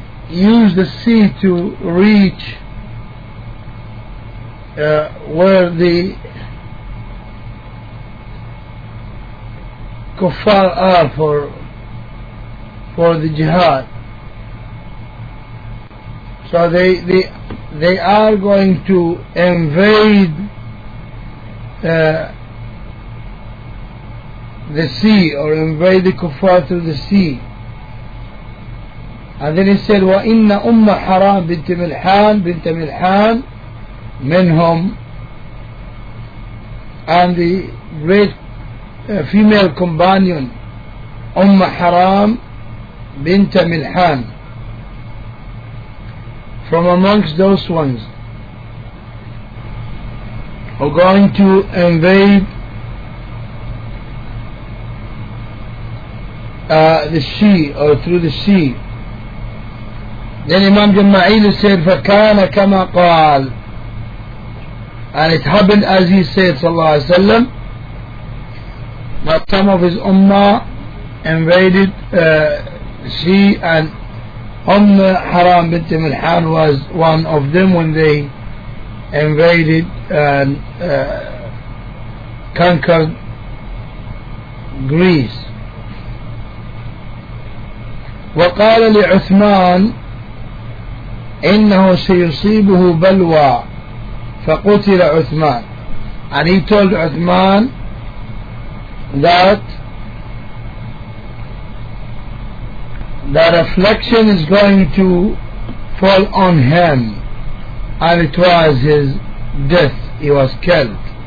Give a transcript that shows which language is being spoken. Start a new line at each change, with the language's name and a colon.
English: use the sea to reach where the kuffar are for the jihad. So they are going to invade the sea, or invade the kuffar through the sea. And then he said,
Arabic: وَإِنَّ أُمَّ حَرَام بِنْتِ مِلْحَان بِنْتَ مِلْحَان مِنْهُمْ.
English: And the great female companion, أُمَّ حَرَام بِنْتَ مِلْحَان, from amongst those ones are going to invade the sea, or through the sea. Then Imam Jama'ili said,
Arabic: فَكَانَ كَمَا قَالَ,
English: and it happened as he said, sallallahu alayhi wa sallam, that some of his ummah invaded the sea, and Umm Haram bint Milhan was one of them when they invaded and conquered Greece.
Arabic: وقال لعثمان إنه سيصيبه بلوى فقتل عثمان.
English: And he told Uthman that affliction is going to fall on him, and it was his death, he was killed.